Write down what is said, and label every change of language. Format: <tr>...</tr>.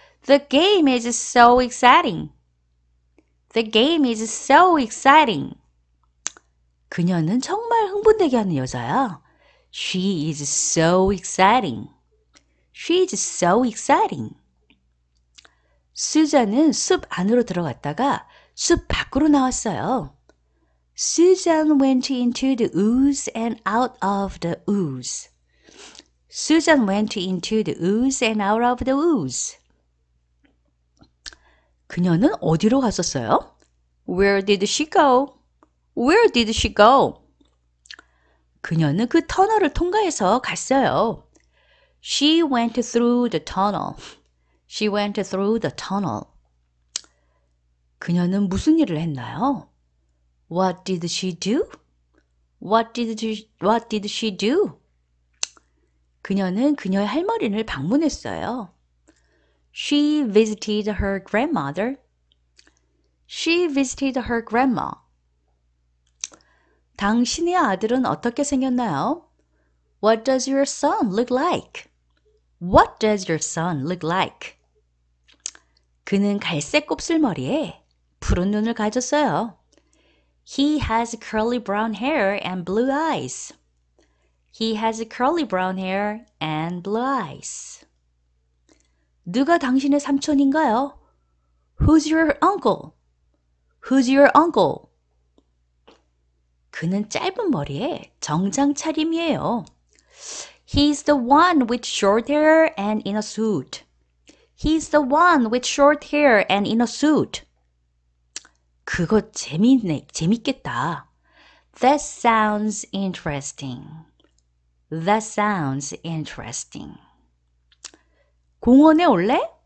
<en>The game is so exciting. The game is so exciting.</en> <ko>그녀는 정말 흥분되게 하는 여자야.</ko> <en>She is so exciting. She is so exciting.</en> <ko>수잔은 숲 안으로 들어갔다가 숲 밖으로 나왔어요.</ko> <en>Susan went into the woods and out of the woods. Susan went into the woods and out of the woods.</en> <ko>그녀는 어디로 갔었어요?</ko> <en>Where did she go? Where did she go?</en> <ko>그녀는 그 터널을 통과해서 갔어요.</ko> <en>She went through the tunnel. She went through the tunnel.</en> <ko>그녀는 무슨 일을 했나요?</ko> <en>What did she do? What did she do?</en> <ko>그녀는 그녀의 할머니를 방문했어요.</ko> <en>She visited her grandmother. She visited her grandma.</en> <ko>당신의 아들은 어떻게 생겼나요?</ko> <en>What does your son look like? What does your son look like?</en> <ko>그는 갈색 곱슬머리에 푸른 눈을 가졌어요.</ko> <en>He has curly brown hair and blue eyes. He has curly brown hair and blue eyes.</en> <ko>누가 당신의 삼촌인가요?</ko> <en>Who's your uncle? Who's your uncle?</en> <ko>그는 짧은 머리에 정장 차림이에요.</ko> <en>He's the one with short hair and in a suit. He's the one with short hair and in a suit.</en> <ko>그거 재밌네. 재밌겠다.</ko> <en>That sounds interesting. That sounds interesting.</en> <ko>공원에 올래?</ko>